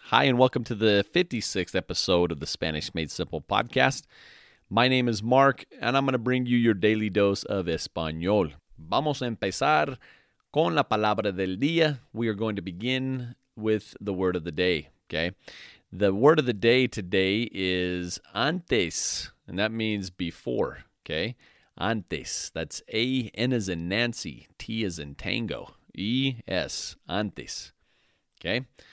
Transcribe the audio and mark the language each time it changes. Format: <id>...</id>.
<en>Hi and welcome to the 56th episode of the Spanish Made Simple podcast. My name is Mark and I'm going to bring you your daily dose of español.</en> <es>Vamos a empezar con la palabra del día.</es> <en>We are going to begin with the word of the day, okay? The word of the day today is antes, and that means before, okay? Antes, that's A, N as in Nancy, T as in Tango, E, S, antes, okay?</en>